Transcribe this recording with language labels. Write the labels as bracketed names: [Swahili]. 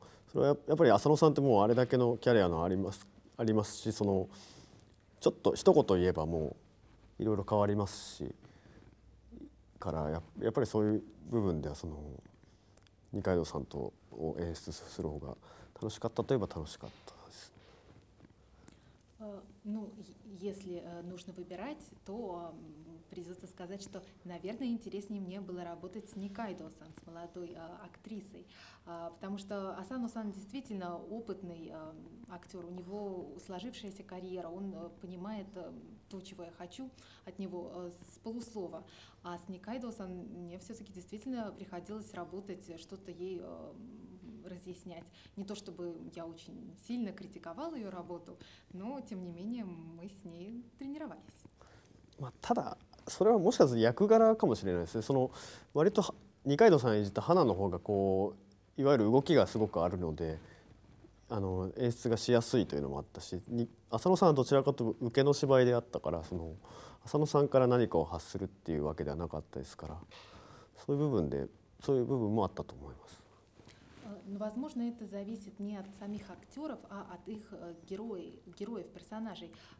[Japanese] それはやっぱり浅野さんってもうあれだけのキャリアのありますし、そのちょっと一言言えばもういろいろ変わりますし、からやっぱりそういう部分ではその二階堂さんとを演出する方が楽しかったといえば楽しかった。 [Russian] Ну, если нужно выбирать, то придется сказать, что, наверное, интереснее мне было работать с Никайдо-сан, с молодой актрисой, потому что Асано-сан действительно опытный актер, у него сложившаяся карьера, он понимает то, чего я хочу от него с полуслова, а с Никайдо-сан мне все-таки действительно приходилось работать, что-то ей разъяснять. Не то чтобы я очень сильно критиковала ее работу, но тем не менее мы с ней тренировались. [Japanese] まあ、ただそれはもしかすると役柄かもしれないですね。その割と二階堂さん演じた花の方がこういわゆる動きがすごくあるので、演出がしやすいというのもあったし、浅野さんはどちらかというと受けの芝居であったから、その浅野さんから何かを発するっていうわけではなかったですから、そういう部分もあったと思います。 [Russian] Возможно, это зависит не от самих актеров, а от их героев, персонажей.